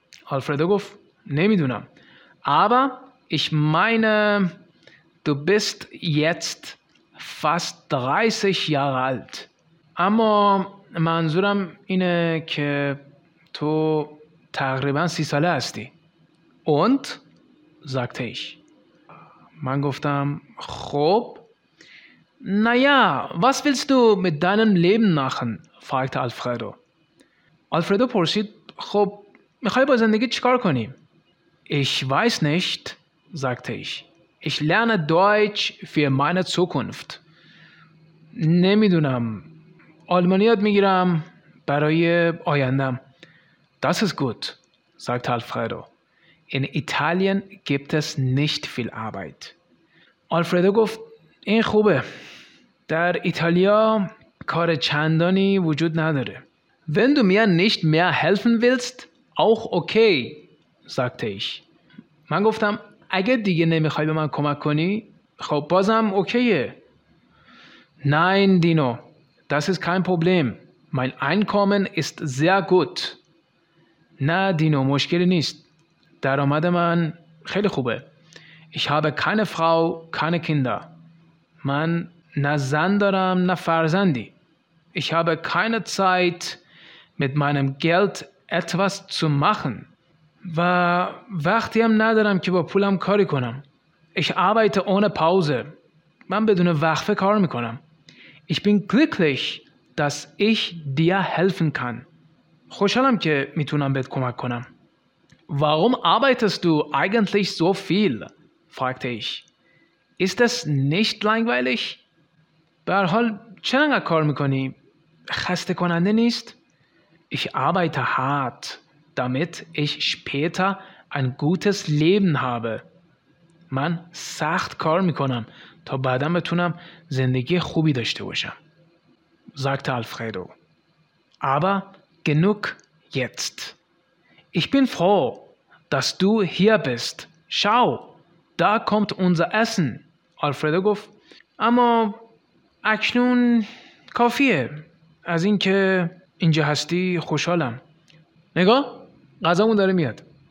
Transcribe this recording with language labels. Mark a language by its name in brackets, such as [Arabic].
[Persian] Alfredo گفت نمیدونم. [German] Aber ich meine, du bist jetzt fast 30 Jahre alt. [Persian] اما منظورم اینه که تو تقریبا 30 ساله هستی. [German] Und? sagte ich. [Persian] من گفتم خب. [German] Naja, was willst du mit deinem Leben machen? fragte Alfredo. [Persian] آلفردو پرسید خب میخوای با زندگی چیکار کنی؟ [German] Ich weiß nicht, sagte ich. Ich lerne Deutsch für meine Zukunft. [Persian] نمیدونم. آلمانی یاد میگیرم برای آینده. [German] Das ist gut, sagte Alfredo. In Italien gibt es nicht viel Arbeit. [Persian] آلفردو گفت این خوبه. در ایتالیا کار چندانی وجود نداره. [German] Wenn du mir nicht mehr helfen willst, auch okay, sagte ich. [Persian] من گفتم اگه دیگه نمیخوای به من کمک کنی، خب بازم اوکیه. [German] Nein, Dino, das ist kein Problem. Mein Einkommen ist sehr gut. [Persian] نه دینو، مشکلی نیست. درآمد من خیلی خوبه. [German] Ich habe keine Frau, keine Kinder. [Persian] من نه زن دارم نه فرزندی. [German] Ich habe keine Zeit, mit meinem Geld etwas zu machen. [Persian] و وقتی هم ندارم که با پولم کاری کنم. [German] Ich arbeite ohne Pause. [Persian] من بدون وقفه کار میکنم. [German] Ich bin glücklich, dass ich dir helfen kann. [Persian] خوشحالم که میتونم بهت کمک کنم. [German] Warum arbeitest du eigentlich so viel? Fragte ich. Ist es nicht langweilig? [Persian] به هر حال چرا کار میکنی؟ خسته کننده نیست؟ [German] Ich arbeite hart, damit ich später ein gutes Leben habe. [Persian] من سخت کار میکنم تا بعدم بتونم زندگی خوبی داشته باشم. [German] Sagte Alfredo. Aber genug jetzt. Ich bin froh, dass du hier bist. Schau, da kommt unser Essen. [Persian] Alfredo گفت اما اکنون کافیه. از اینکه اینجا هستی خوشحالم. نگاه، غذامون داره میاد.